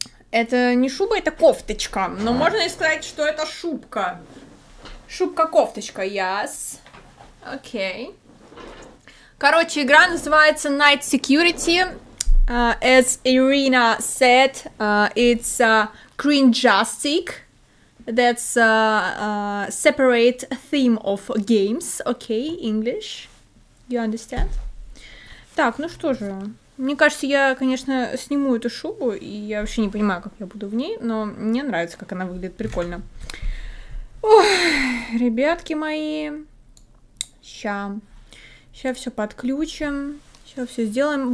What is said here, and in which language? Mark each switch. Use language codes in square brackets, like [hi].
[ru] Это не шуба, это кофточка. Но можно и сказать, что это шубка. Шубка-кофточка, yes. Окей. Короче, игра называется Night Security. [en] As Irina said, it's cringe-astic. That's a separate theme of games. Окей, English. You understand? [ru] Так, ну что же. Мне кажется, я, конечно, сниму эту шубу, и я вообще не понимаю, как я буду в ней, но мне нравится, как она выглядит прикольно. Ох, ребятки мои, ща все подключим, ща все сделаем.